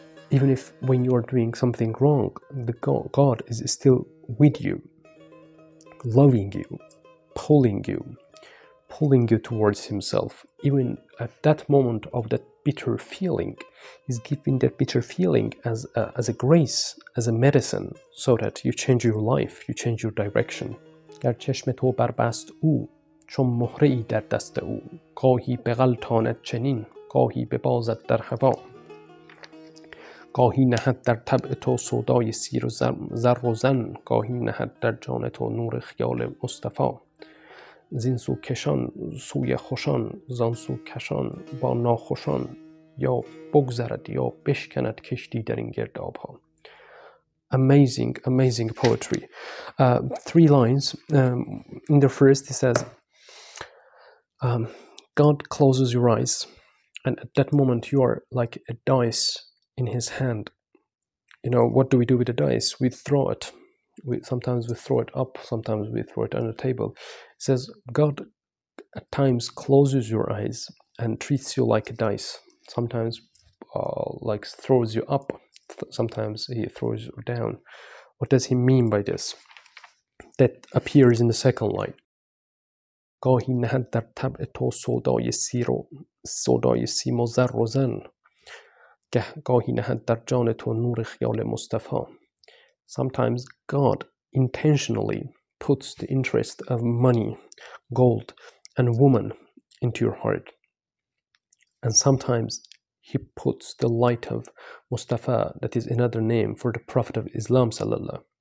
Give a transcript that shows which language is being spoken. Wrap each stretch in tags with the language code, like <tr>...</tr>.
<en>Even if when you are doing something wrong, the God is still with you, loving you, pulling you towards Himself. Even at that moment of that bitter feeling, He's giving that bitter feeling as a grace, as a medicine, so that you change your life, you change your direction.</en> <fa>در چشم تو بربست او چون مهره‌ای در دست او، گاهی به غلطانت چنین، گاهی به بازت در هوا، گاهی نهد در طبع تو سودای سیر و زر و زن، گاهی نهد در جان تو نور خیال مصطفی. زین سو کشان سوی خوشان، زان سو کشان با ناخوشان، یا بگذرد یا بشکند کشتی در این گرداب ها.</fa> <en>Amazing, amazing poetry. Three lines. In the first he says, God closes your eyes, and at that moment you are like a dice in His hand. You know, what do we do with a dice? We throw it. Sometimes we throw it up, sometimes we throw it on the table. It says, God at times closes your eyes and treats you like a dice. Sometimes like throws you up, sometimes He throws you down. What does He mean by this? That appears in the second line.</en> <fa>گاهی نهد در طبع تو سودای سیر و سودای سیم و زر و زن، گاهی نهد در جان تو نور خیال مصطفی.</fa> <en>Sometimes God intentionally puts the interest of money, gold, and woman into your heart. And sometimes He puts the light of Mustafa, that is another name for the Prophet of Islam, sallallahu.</en>